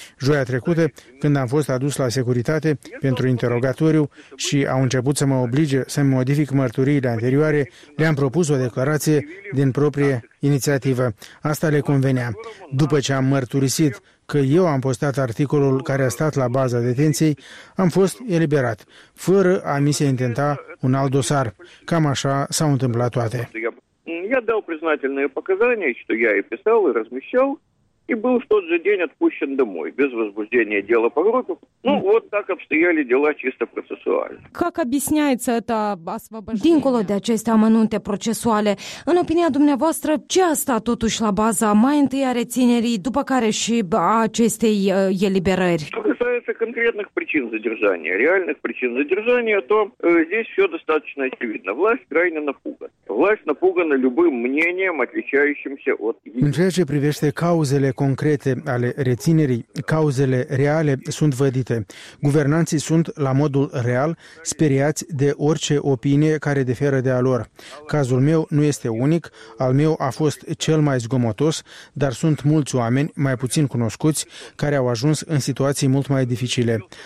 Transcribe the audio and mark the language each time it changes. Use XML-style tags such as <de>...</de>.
<ro>Joia trecută, când am fost adus la securitate pentru interogatoriu și au început să mă oblige să-mi modific mărturiile anterioare, le-am propus o declarație din proprie inițiativă. Asta le convenea. După ce am mărturisit că eu am postat articolul care a stat la baza detenției, am fost eliberat, fără a mi se intenta un alt dosar. Cam așa s-au întâmplat toate.</ro> <ru>Я дал признательные показания, что я и писал, и размещал, и был в тот же день отпущен домой, без возбуждения дела по группе. Ну, вот так обстояли дела чисто процессуально. Как объясняется это освобождение?</ru> <ro>Dincolo de aceste amănunte procesuale, în opinia dumneavoastră, ce a stat totuși la baza mai întâi a reținerii, după care și a acestei eliberări?</ro> <ru>Что касается конкретных причин задержания, реальных причин задержания, то здесь все достаточно очевидно. Власть крайне напугана. Власть напугана любым мнением, отличающимся от...</ru> <ro>În ceea ce privește cauzele concrete ale reținerii, cauzele reale sunt vădite. Guvernanții sunt, la modul real, speriați de orice opinie care diferă de a lor. Cazul meu nu este unic, al meu a fost cel mai zgomotos, dar sunt mulți oameni, mai puțin cunoscuți, care au ajuns în situații mult mai dificile.</ro>